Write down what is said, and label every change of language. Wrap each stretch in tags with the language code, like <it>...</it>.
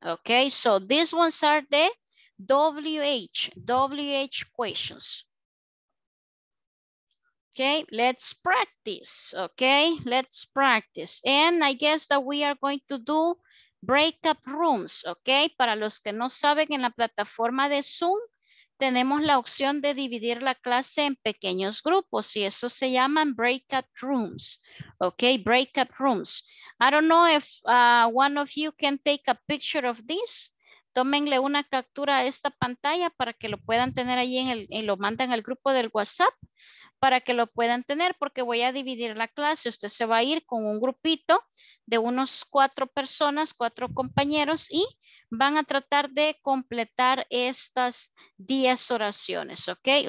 <en>Okay, so these ones are the WH questions. Okay, let's practice. Okay, let's practice. And I guess that we are going to do breakout rooms.</en> <es>Okay, para los que no saben, en la plataforma de Zoom tenemos la opción de dividir la clase en pequeños grupos y eso se llaman breakout rooms.</es> <en>Okay, breakout rooms. I don't know if one of you can take a picture of this.</en> <es>Tómenle una captura a esta pantalla para que lo puedan tener ahí y lo mandan al grupo del WhatsApp para que lo puedan tener, porque voy a dividir la clase. Usted se va a ir con un grupito de unos cuatro personas, cuatro compañeros, y van a tratar de completar estas 10 oraciones, ¿ok?</es>